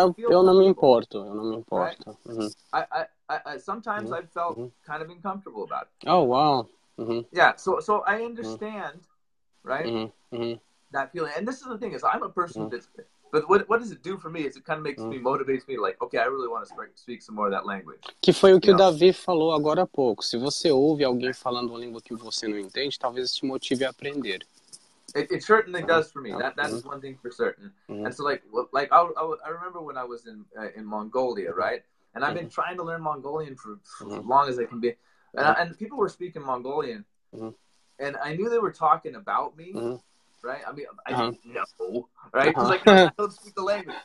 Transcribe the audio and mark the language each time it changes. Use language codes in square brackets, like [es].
[pt] Eu não me importo. Right? Mm-hmm. [en] Sometimes I've felt kind of uncomfortable about it. Oh, wow. Mm-hmm. Yeah, so I understand, right? Mm-hmm. That feeling. And this is the thing, is I'm a person that's... But what does it do for me? It kind of makes me, motivates me, like, okay, I really want to speak some more of that language. [pt] Que foi o que Davi falou agora há pouco. Se você ouve alguém falando uma língua que você não entende, talvez isso te motive a aprender. [en] It certainly does for me. That is one thing for certain. Mm-hmm. And so, I remember when I was in Mongolia, right? And I've been trying to learn Mongolian for as long as I can be. And, and people were speaking Mongolian. Mm-hmm. And I knew they were talking about me. Mm-hmm. Right, I mean, I didn't know, right? Because I don't speak the language.